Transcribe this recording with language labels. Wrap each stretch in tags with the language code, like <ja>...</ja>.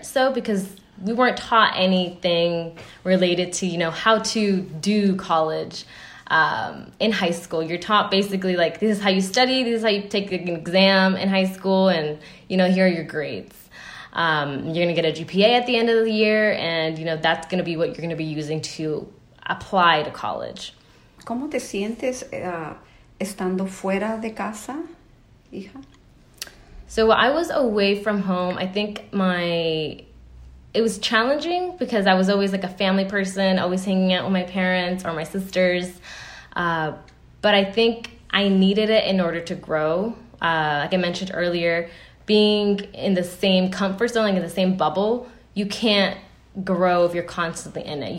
<en>So because we weren't taught anything related to, you know, how to do college. In high school, you're taught basically like, this is how you study, this is how you take an exam in high school, and, you know, here are your grades. You're gonna get a GPA at the end of the year, and, you know, that's gonna be what you're gonna be using to apply to college.</en> <es>¿Cómo te sientes estando fuera de casa, hija?</es> <en>So I was away from home. I think it was challenging because I was always like a family person, always hanging out with my parents or my sisters. But I think I needed it in order to grow. Like I mentioned earlier, being in the same comfort zone, like in the same bubble, you can't grow if you're constantly in it.</en>